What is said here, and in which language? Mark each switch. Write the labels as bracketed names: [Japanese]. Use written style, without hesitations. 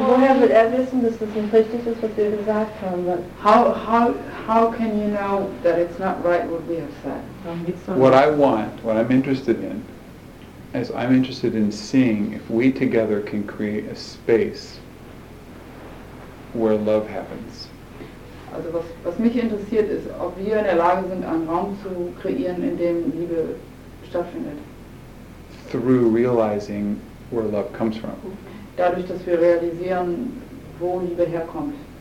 [German] Woher will er wissen, dass das nicht richtig ist, was wir gesagt haben? [English] How can you know that it's not right what we have said? What I want, what I'm interested in, is I'm interested in seeing if we together can create a space where love happens. [German] Also was mich interessiert ist, ob wir in der Lage sind, einen Raum zu kreieren, in dem Liebe stattfindet. [English] Through realizing where love comes from. [German] Dadurch, dass wir realisieren, wo Liebe herkommt.